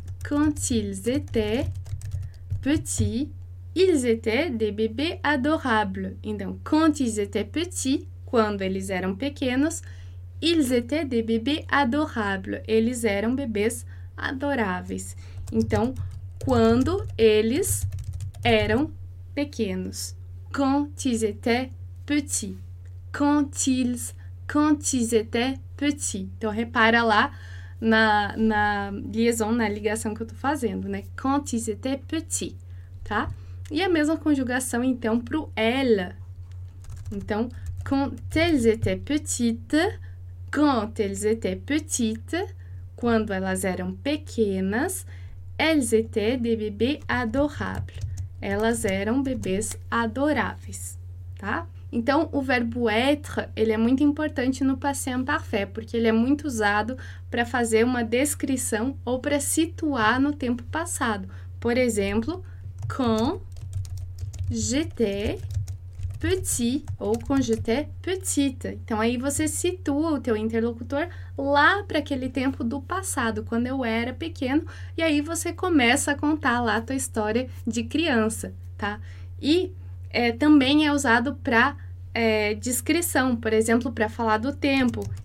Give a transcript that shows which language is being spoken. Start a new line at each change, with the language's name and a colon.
French: Quand ils étaient petits, ils étaient des bébés adorables. Então, quand ils étaient petits,
Portuguese: quando eles eram pequenos,
French: ils étaient des bébés adorables.
Portuguese: Eles eram bebês adoráveis. Então, quando eles eram pequenos.
French: Quand ils étaient petits. Quand ils étaient petits.
Portuguese: Então, repara lá na ligação que eu tô fazendo, né?
French: Quand ils étaient petits, tá?
Portuguese: E a mesma conjugação, então, pro elle.
French: Então, quand elles étaient petites,
Portuguese: quando elas eram pequenas,
French: elles étaient des bébés adorables.
Portuguese: Elas eram bebês adoráveis, tá? Então, o verbo être, ele é muito importante no passé imparfait, porque ele é muito usado para fazer uma descrição ou para situar no tempo passado. Por exemplo,
French: quand j'étais petit ou quand j'étais petite.
Portuguese: Então, aí você situa o teu interlocutor lá para aquele tempo do passado, quando eu era pequeno, e aí você começa a contar lá a tua história de criança, tá? E também é usado para descrição, por exemplo, para falar do tempo.